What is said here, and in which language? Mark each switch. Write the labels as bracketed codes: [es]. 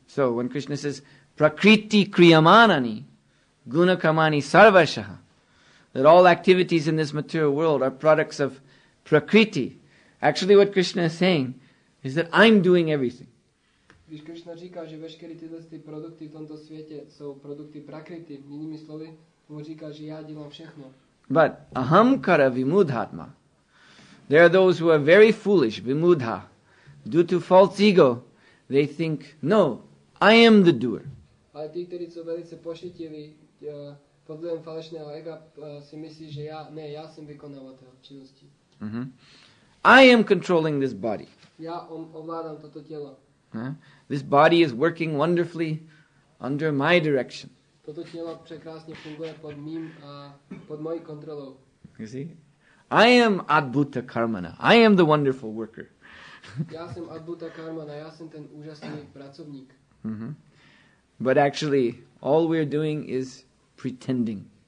[en] So when Krishna says [sa] prakriti kriyamanani guna kamani sarvashah, [en] that all activities in this material world are products of prakriti, actually what Krishna is saying is that I'm doing everything. [cs] Když Krishna říká, že veškeré tyhle ty produkty v tomto světě jsou produkty prakriti, jinými slovy, mu říká, že já dělám všechno. [en] But ahamkara vimudhatma. There are those who are very foolish, vimudha. Due to false ego, they think, no, I am the doer. [cs] Ale ti, kteří jsou velice pošetili pod vlivem falešného ega, si myslí, že já jsem vykonavatel činnosti. [en] I am controlling this body. [cs] Já ovládám toto tělo. [en] This body is working wonderfully under my direction. [cs] Toto tělo překrásně funguje pod mým a pod mojí kontrolou. [en] You see? I am adbhuta karmana. I am the wonderful worker. [cs] Já jsem adbhuta karmana. Já jsem ten úžasný pracovník. [en] But actually, all we're doing is pretending.